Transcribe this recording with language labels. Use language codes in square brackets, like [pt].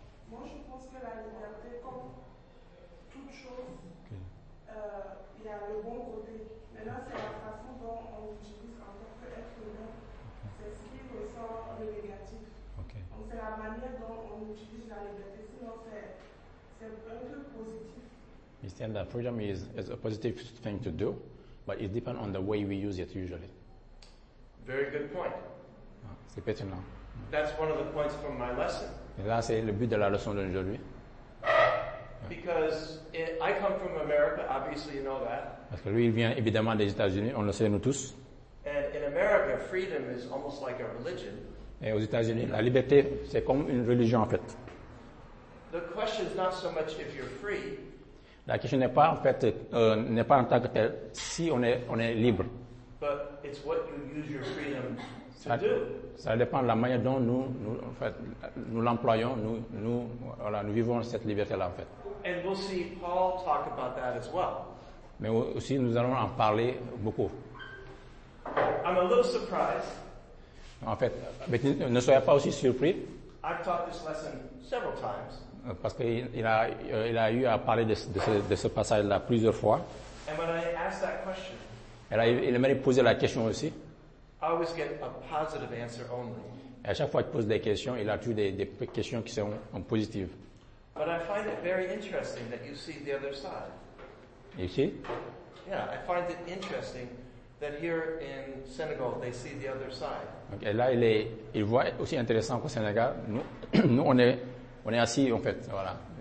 [fr] Moi, je pense que la liberté, comme toute chose, il y a le bon côté. Mais là, c'est la façon dont on l'utilise en tant qu'être humain. C'est ce qui ressort le négatif. [en] Okay. [fr] Donc, c'est la manière dont on utilise la liberté. Sinon, c'est un peu positif. [en] You said that freedom is a positive thing to do. But it depends on the way we use it, usually. Very good point. [fr] Ah, c'est pertinent. [en] That's one of the points from my lesson. [fr] Et là, c'est le but de la leçon d'aujourd'hui. [en] Because I come from America, obviously you know that. [fr] Parce que lui, il vient évidemment des États-Unis, on le sait nous tous. [en] And in America, freedom is almost like a religion. [fr] Et aux États-Unis, la liberté, c'est comme une religion, en fait. [en] The question is not so much if you're free. [fr] La question n'est pas en fait n'est pas en tant que tel si on est libre. [en] But it's what you use your freedom to [fr] ça, do. Ça dépend de la manière dont nous l'employons, nous vivons cette liberté là en fait. [en] And we'll see Paul talk about that as well. [fr] Mais aussi nous allons en parler beaucoup. [en] I'm a little surprised. [fr] En fait, ne soyez pas aussi surpris. [en] I've taught this lesson several times. [fr] Parce qu'il a eu à parler de ce passage-là plusieurs fois. [en] And when I asked that question, [fr] et là, il m'a posé la question aussi. [en] I always get a positive answer only. [fr] Et à chaque fois qu'il pose des questions, il a toujours des questions qui sont positives. [en] But I find it very interesting that you see the other side. You see? Yeah, I find it interesting that here in Senegal they see the other side. [fr] Okay, là il voit aussi intéressant qu'au Sénégal, nous on est assis en fait, voilà.